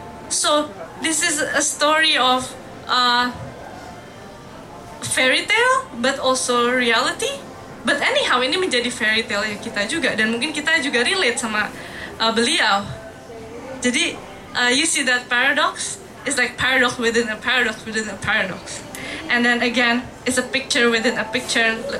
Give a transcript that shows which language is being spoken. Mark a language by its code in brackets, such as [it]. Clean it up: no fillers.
[en] So this is a story of fairy tale, but also reality. But anyhow, [id] ini menjadi fairy tale ya kita juga, dan mungkin kita juga relate sama beliau. Jadi, [en] you see that paradox? It's like paradox within a paradox within a paradox. And then again, it's a picture within a picture.